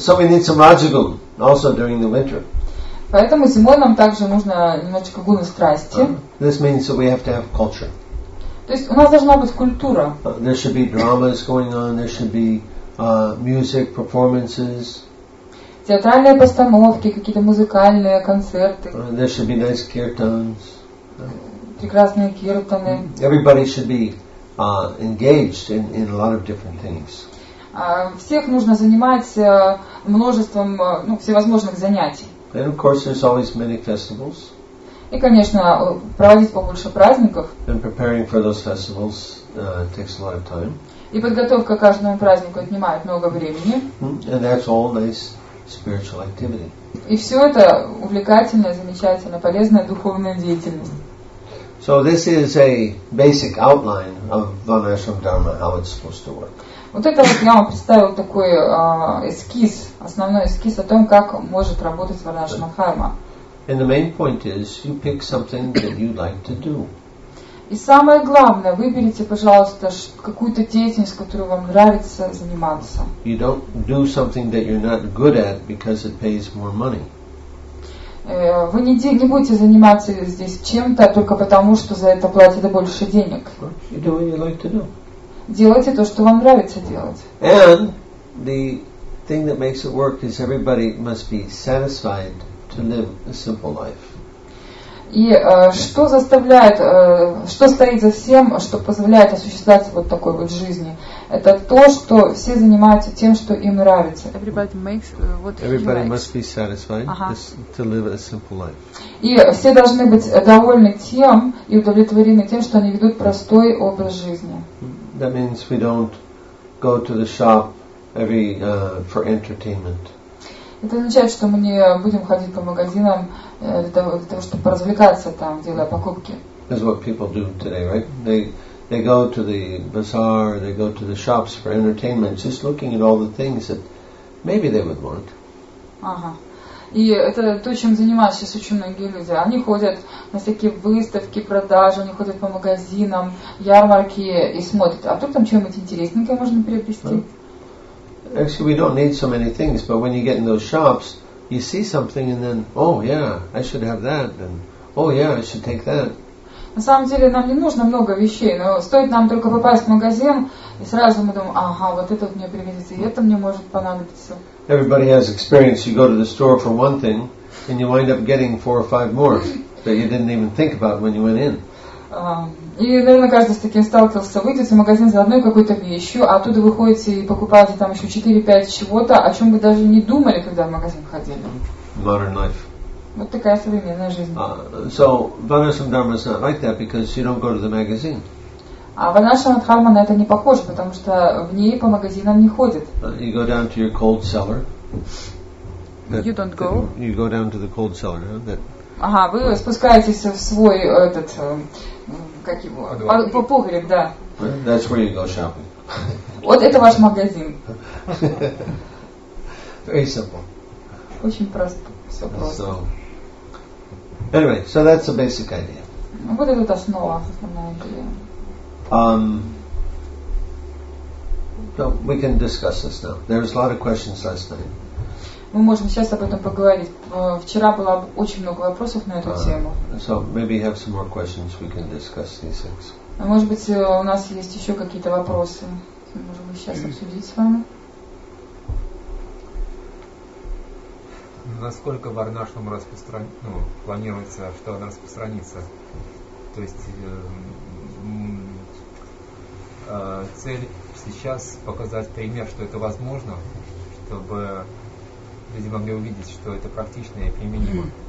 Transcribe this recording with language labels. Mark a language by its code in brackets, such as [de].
[en] So we need some rajagun also during the winter. [ru] Поэтому зимой нам также нужно немножечко гуны страсти. [en] This means that we have to have culture. [ru] То есть у нас должна быть культура. [en] There should be dramas going on. There should be music performances. [ru] Театральные постановки, какие-то музыкальные концерты. [en] There should be nice kirtans. [ru] Прекрасные киртаны. [en] Everybody should be engaged in a lot of different things. [ru] Всех нужно занимать множеством всевозможных занятий. [en] And of course, there's always many festivals. [ru] И, конечно, проводить побольше праздников. [en] And preparing for those festivals takes a lot of time. [ru] И подготовка к каждому празднику отнимает много времени. [en] And that's all nice spiritual activity. [ru] И все это увлекательная, замечательная, полезная духовная деятельность. [en] So this is a basic outline of Vanashram Dharma, how it's supposed to work. [ru] Вот это вот я вам представил такой эскиз, основной эскиз о том, как может работать Варнашрама Дхарма. [en] And the main point is, you pick something that you'd like to do. [ru] И самое главное, выберите, пожалуйста, какую-то деятельность, которую вам нравится заниматься. [en] You don't do something that you're not good at because it pays more money. [ru] Вы не будете заниматься здесь чем-то только потому, что за это платят больше денег. [en] You do what you like to do. [ru] Делайте то, что вам нравится делать. [en] And the thing that makes it work is everybody must be satisfied to live a simple life. [ru] И что заставляет, что стоит за всем, что позволяет осуществлять вот такой вот жизни, это то, что все занимаются тем, что им нравится. [en] Everybody makes what everybody he must Be satisfied to live a simple life. [ru] И все должны быть довольны тем и удовлетворены тем, что они ведут простой образ жизни. [en] That means we don't go to the shop every for entertainment. [ru] Это означает, что мы не будем ходить по магазинам для того, чтобы развлекаться там, делая покупки. [en] That's what people do today, right? They go to the bazaar, they go to the shops for entertainment, just looking at all the things that maybe they would want. [ru] Ага. И это то, чем занимаются сейчас очень многие люди. Они ходят на всякие выставки, продажи, они ходят по магазинам, ярмарки и смотрят, а вдруг там что-нибудь интересненькое можно приобрести? [en] Actually, we don't need so many things, but when you get in those shops, you see something and then, oh yeah, I should have that, and oh yeah, I should take that. [ru] На самом деле, нам не нужно много вещей, но стоит нам только попасть в магазин, и сразу мы думаем, ага, вот это мне пригодится, и это мне может понадобиться. [en] Everybody has experience. You go to the store for one thing, and you wind up getting four or five more that you didn't even think about when you went in. [ru] И, наверное, каждый с таким сталкивался. Выйдете в магазин за одной какой-то вещью, а оттуда выходите и покупаете там еще 4-5 чего-то, о чем вы даже не думали, когда в магазин ходили. [en] Modern life. [ru] Вот такая современная жизнь. [en] So, Vanashram Dharma is not like that because you don't go to the magazine. [ru] А Vanashram Dharma на это не похоже, потому что в ней по магазинам не ходят. [en] You go down to your cold cellar. You don't go. You go down to the cold cellar. Huh? That... [ru] Ага, вы спускаетесь в свой этот, как его, по погреб, да. [en] That's where you go shopping. [ru] Вот это ваш магазин. [en] Very simple. [ru] Очень просто, все просто. [en] So, anyway, so that's the basic idea. [ru] Вот это вот основа, основная идея. [en] So we can discuss this now. There was a lot of questions last night. [ru] Мы можем сейчас об этом поговорить. Вчера было очень много вопросов на эту тему. [en] So maybe you have some more questions, we can discuss these things. [ru] Может быть, у нас есть еще какие-то вопросы. Можем мы сейчас обсудить с вами. Насколько Варнашрам планируется, что она распространится? То есть цель сейчас показать пример, что это возможно, чтобы люди могли увидеть, что это практично и применимо.